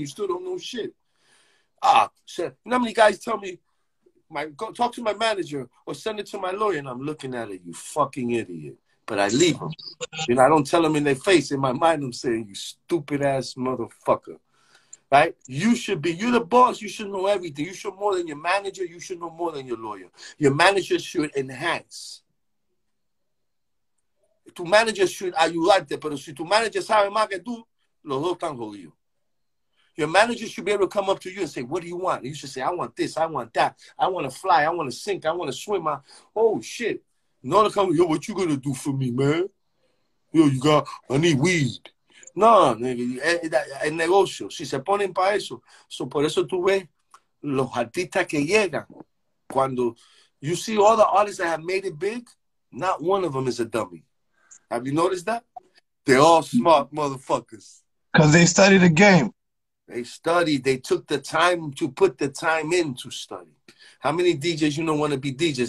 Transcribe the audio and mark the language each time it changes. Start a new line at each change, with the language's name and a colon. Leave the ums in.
English: You still don't know shit. Ah, so you know how many guys tell me, my talk to my manager or send it to my lawyer, and I'm looking at it, you fucking idiot. But I leave them, you know. I don't tell them in their face. In my mind, I'm saying, you stupid ass motherfucker. Right? You should be, you're the boss, you should know everything. You should more than your manager, you should know more than your lawyer. Your manager should enhance
Spanish: tu manager should ayudarte, pero si tu manager sabe más que tú, los dos están jodidos. Yo.
English: Your manager should be able to come up to you and say, What do you want? And you should say, I want this, I want that, I want to fly, I want to sink, I want to swim. I, oh ah. shit. No, to come, yo, what you gonna do for me, man? Yo, you got, I need weed.
Spanish: No, nigga, el negocio, si se ponen para eso. So, por eso tú ves los artistas que llegan.
English: Cuando, you see all the artists that have made it big, not one of them is a dummy. Have you noticed that? They're all smart motherfuckers. Because they study the game. They study. They took the time to put the time in to study. How many DJs you don't know want to be DJs?